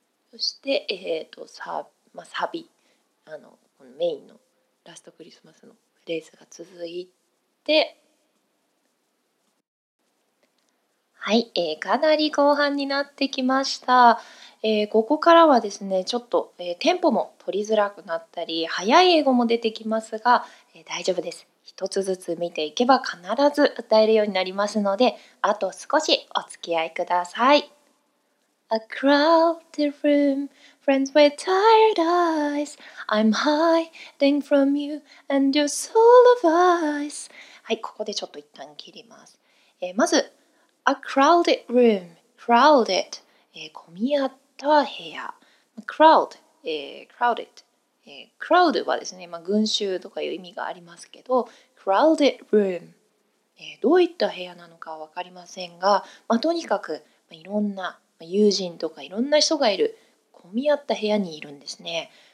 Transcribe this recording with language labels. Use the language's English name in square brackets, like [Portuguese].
[Japanese] そして、サ、 まあ、サビ、このメインのラストクリスマスのフレーズが続いて、はい、かなり後半になってきました。ここからはですね、ちょっと、テンポも取りづらくなったり、早い英語も出てきますが、大丈夫です。一つずつ見ていけば必ず歌えるようになりますので、あと少しお付き合いください。 [English] A crowded room, friends with tired eyes, I'm hiding from you and your soul of ice。 [Japanese] はい、ここでちょっと一旦切ります。まず、 [English] A crowded room, [Japanese] crowded、混み合って、部屋、crowd、crowded、crowd はですね、まあ、群衆とかいう意味がありますけど、crowded room、どういった部屋なのかは分かりませんが、まあ、とにかく、まあ、いろんな、まあ、友人とかいろんな人がいる混み合った部屋にいるんですね。